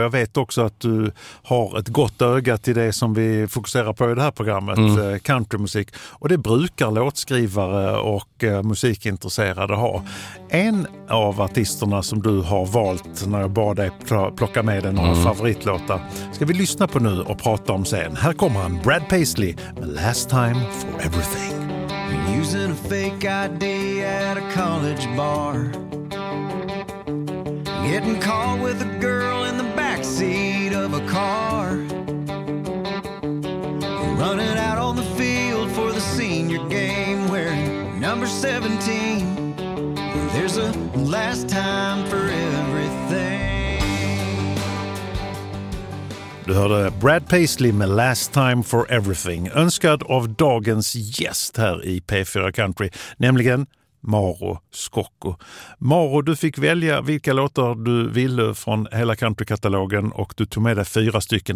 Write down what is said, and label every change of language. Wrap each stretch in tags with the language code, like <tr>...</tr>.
<sv>Jag vet också att du har ett gott öga till det som vi fokuserar på i det här programmet, countrymusik. Och det brukar låtskrivare och musikintresserade ha. En av artisterna som du har valt när jag bad dig plocka med dig några favoritlåtar ska vi lyssna på nu och prata om sen. Här kommer han, Brad Paisley, med Last Time for Everything.</sv> <en>Using a fake ID at a college bar, getting caught with a girl in the backseat of a car, running out on the field for the senior game wearing number 17. There's a last time for everything.</en> <sv>Du hörde Brad Paisley med Last Time for Everything, önskad av dagens gäst här i P4 Country, nämligen Maro Scocco. Maro, du fick välja vilka låtar du ville från hela countrykatalogen och du tog med dig fyra stycken.</sv>